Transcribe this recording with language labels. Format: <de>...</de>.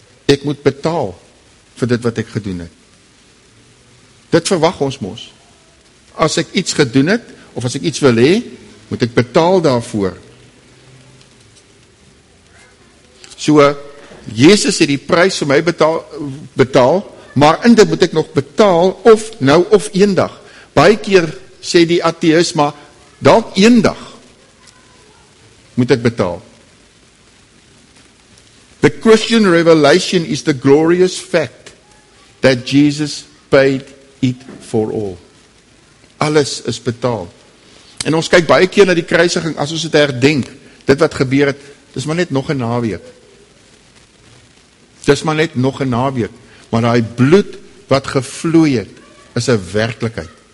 <af>Ek moet betaal vir dit wat ek gedoen het. Dit verwag ons mos. As ek iets gedoen het, of as ek iets wil hê, moet ek betaal daarvoor. So, Jesus het die prys vir my betaal, maar in dit moet ek nog betaal, of nou, of eendag. Baie keer sê die atheïs, maar dalk eendag moet ek betaal.</af> <en>The Christian revelation is the glorious fact that Jesus paid it for all.</en> <af>Alles is betaal. En ons kyk baie keer na die kruisiging, as ons het herdenk, dit wat gebeur het, dis maar net nog 'n naweek. Dis maar net nog 'n naweek. Maar daai bloed wat gevloei het, is 'n werklikheid.</af>